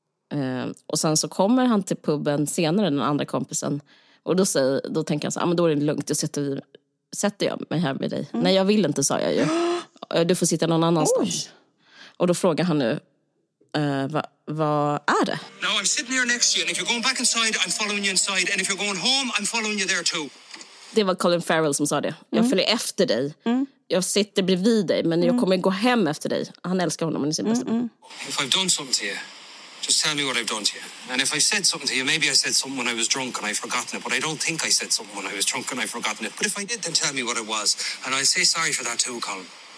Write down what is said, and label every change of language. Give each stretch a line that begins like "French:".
Swedish: Mm. Och sen så kommer han till puben senare, den andra kompisen. Och då tänker han så, ah, men då är det lugnt, då sätter jag mig här med dig. Mm. Nej, jag vill inte, sa jag ju. Du får sitta någon annanstans. Oj. Och då frågar han nu, vad är det?
English: Now I'm sitting here next to you, and if you're going back inside, I'm following you inside, and if you're going home, I'm following you there too.
Swedish: Det var Colin Farrell som sa det. Mm. Jag följer efter dig. Mm. Jag sitter bredvid dig, men jag kommer gå hem efter dig. Han älskar honom, men det är sin bästa.
English: If I've done something to you, just tell me what I've done to you. And if I said something to you, maybe I said something when I was drunk and I've forgotten it, but I don't think I said something when I was drunk and I've forgotten it. But if I did, then tell me what it was. And I'll say sorry for that too, Colin.